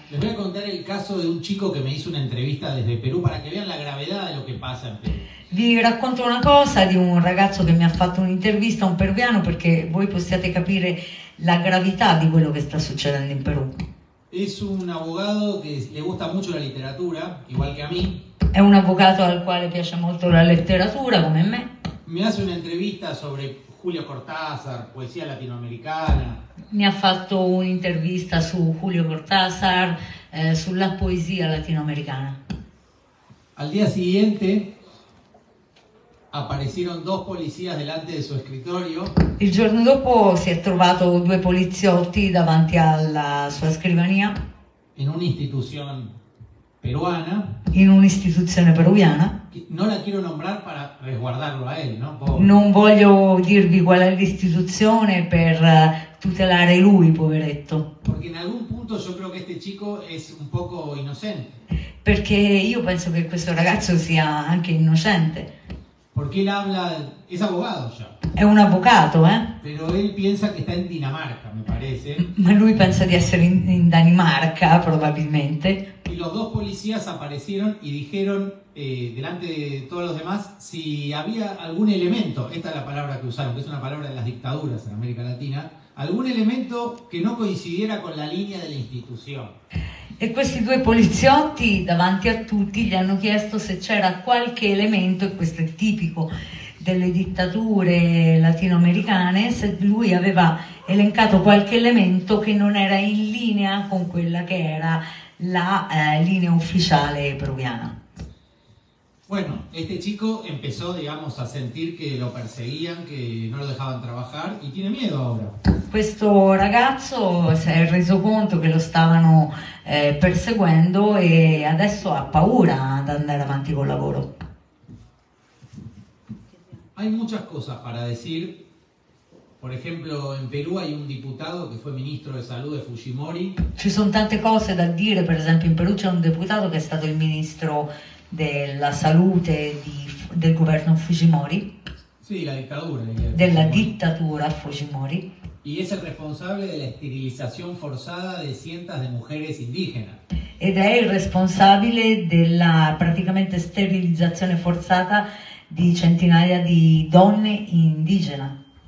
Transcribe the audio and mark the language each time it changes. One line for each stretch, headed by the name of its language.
Spanish: Le voy a
Italian: contare il caso di
Spanish: un chico che mi hizo una entrevista desde Perú para que vean la gravedad de lo que pasa en Perú.
Italian: Vi racconto una cosa di un ragazzo che mi ha fatto un'intervista, un peruviano, perché voi possiate capire la gravità di quello che sta succedendo in Perù.
Spanish: Es un abogado que le gusta mucho la literatura, igual que a mí.
Italian: È un avvocato al quale piace molto la letteratura, come me.
Spanish: Mi hace una entrevista sobre Julio Cortázar, poesia latinoamericana.
Italian: Mi ha fatto un'intervista su Julio Cortázar, sulla poesia latinoamericana.
Spanish: Al día siguiente aparecieron dos policías delante de su escritorio.
Italian: Il giorno dopo si è trovato due poliziotti davanti alla sua scrivania. In un'istituzione peruana. In un'istituzione peruviana.
Spanish: Non la quiero nombrar para resguardarlo a él, ¿no?
Italian: Non voglio dirvi qual è l'istituzione per tutelare lui, poveretto.
Spanish: Porque en algún punto yo creo que este chico es un poco inocente.
Italian: Perché io penso che questo ragazzo sia anche innocente.
Spanish: Porque él habla, es abogado ya.
Italian: È un avvocato, eh?
Spanish: Pero él piensa que está en Dinamarca, me parece.
Italian: Ma lui pensa di essere in Danimarca, probabilmente.
Spanish: Y los dos policías aparecieron y dijeron delante de todos los demás si había algún elemento, esta es la palabra que usaron, que es una palabra de las dictaduras en América Latina, algún elemento que no coincidiera con la línea de la institución.
Italian: E questi due poliziotti davanti a tutti gli hanno chiesto se c'era qualche elemento, e questo è tipico delle dittature latinoamericane, se lui aveva elencato qualche elemento che non era in linea con quella che era la linea ufficiale peruviana.
Spanish: Bueno, este chico empezó, digamos, a sentir que lo perseguían, que no lo dejaban trabajar y tiene miedo ahora.
Italian: Questo ragazzo si è reso conto che lo stavano perseguendo e adesso ha paura ad andare avanti col lavoro.
Spanish: Hay muchas cosas para decir. Por ejemplo, en Perú hay un diputado que fue ministro de salud de Fujimori.
Italian: Ci sono tante cose da dire, per esempio in Perù c'è un deputato che è stato il ministro della salute del governo Fujimori. Sì, la dittatura. Della dittatura Fujimori.
Spanish: Y es el responsable de la esterilización forzada de cientos de mujeres indígenas.
Italian: Ed è il responsabile della praticamente sterilizzazione forzata di centinaia di donne indigene.